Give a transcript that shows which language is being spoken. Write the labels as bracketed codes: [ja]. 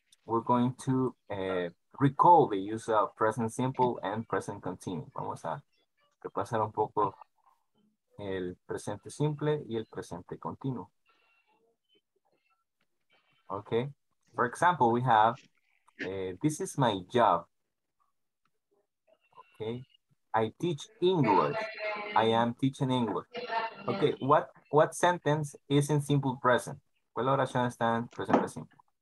[en] we're going to recall the use of present simple and present continuous. [es] Vamos a repasar un poco el presente simple y el presente continuo. [en] Okay. For example, we have, this is my job. Okay. I teach English. I am teaching English. Okay. What sentence is in simple present? [es] ¿Cuál oración está en presente simple?